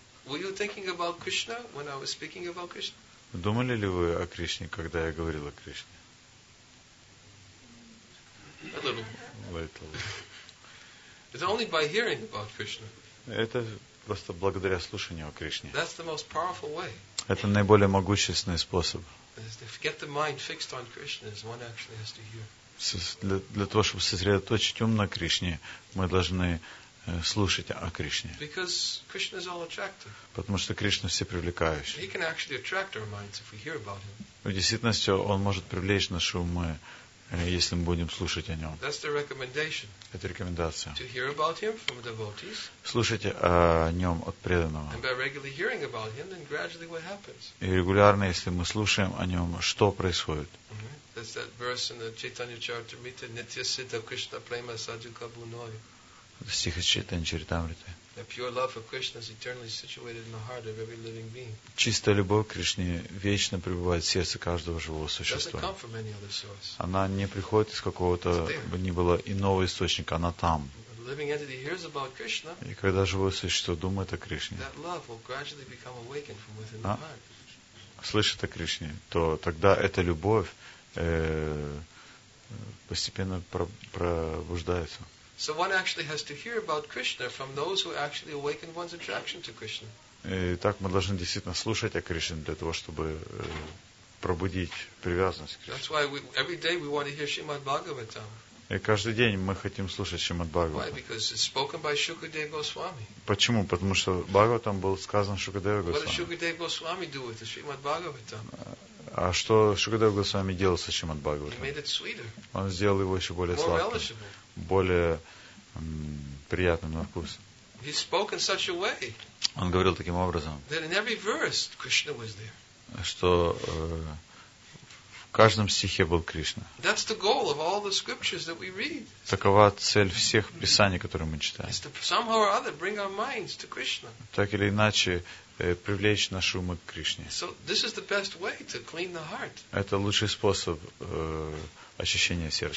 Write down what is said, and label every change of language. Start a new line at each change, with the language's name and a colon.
English: Were you thinking about Krishna when I was speaking about Krishna?
Russian: Думали ли вы о Кришне, когда я говорил о Кришне?
English: A little. Little. It's only by hearing about Krishna.
Russian: Это просто благодаря слушанию о Кришне.
English: That's the most powerful way.
Russian: Это наиболее могущественный способ.
English: If you get the mind fixed on Krishna, one actually has to hear.
Russian: Для того, чтобы сосредоточить ум на Кришне, мы должны слушать о Кришне.
English: Because Krishna is all attractive.
Russian: Потому что Кришна всепривлекающий.
English: He can actually attract our minds if we hear about him.
Russian: В действительности он может привлечь наши умы, если мы будем слушать о нем.
English: That's the recommendation.
Russian: Это рекомендация.
English: To hear about him from devotees.
Russian: Слушать о нем от преданного.
English: And by regularly hearing about him, then gradually what happens?
Russian: И регулярно, если мы слушаем о нем, что происходит? Mm-hmm.
English: That's that verse in the Chaitanya Charitamrita,
Sanskrit: Nitya Siddha Krishna Prema Sajuka Bunoy.
Russian: Стих из Chaitanya Charitamrita.
English: The pure love of Krishna is eternally situated in the heart of every living being.
Russian: Чистая любовь к Кришне вечно пребывает в сердце каждого живого существа.
English: Doesn't come from any other source.
Russian: Она не приходит из какого-то ни было иного источника, она там.
English: The living entity hears about Krishna.
Russian: И когда живое существо думает о Кришне,
English: that love will gradually become awakened from within the heart.
Russian: Слышит о Кришне, то тогда эта любовь постепенно пробуждается.
English: So one actually has to hear about Krishna from those who actually awaken one's attraction to Krishna.
Russian: И так мы должны действительно слушать о Кришне для того, чтобы пробудить привязанность к Кришне.
English: That's why every day we want to hear Shrimad Bhagavatam.
Russian: И каждый день мы хотим слушать Шримад Бхагаватам.
English: Why? Because it's spoken by Shukadeva Goswami.
Russian: Почему? Потому что Бхагаватам был сказан Шукадева Госвами.
English: What does Shukadeva Goswami do with the Shrimad Bhagavatam?
Russian: А что Шукадева Госвами делал со Шримад Бхагаватам?
English: He made it sweeter.
Russian: Он сделал его еще более
English: more
Russian: сладким,
English: relishable.
Russian: Более приятным на вкус.
English: He spoke in such a way.
Russian: Он говорил таким образом.
English: That in every verse Krishna was there.
Russian: Что в каждом стихе был Кришна.
English: That's the goal of all the scriptures that we read.
Russian: Такова цель всех писаний, которые мы читаем.
English: Is to somehow or other bring our minds to Krishna.
Russian: Так или иначе привлечь наши умы к Кришне.
English: So this is the best way to clean the heart.
Russian: Это лучший способ очищения сердца.